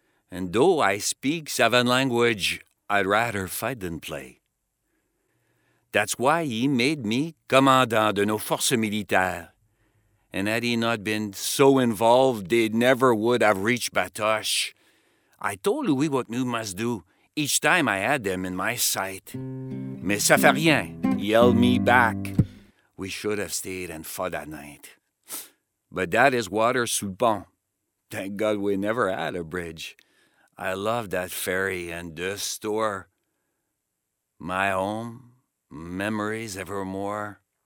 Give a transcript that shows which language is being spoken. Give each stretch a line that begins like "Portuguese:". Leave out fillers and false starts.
English: And though I speak seven language, I'd rather fight than play. That's why he made me
French: commandant de nos forces militaires.
English: And had he not been so involved, they never would have reached Batoche. I told Louis what we must do each time I had them in my sight.
French: Mais ça fait rien,
English: yelled me back. We should have stayed and fought at night. But that is water
French: sous le pont.
English: Thank God we never had a bridge. I love that ferry and the store. My home, memories evermore.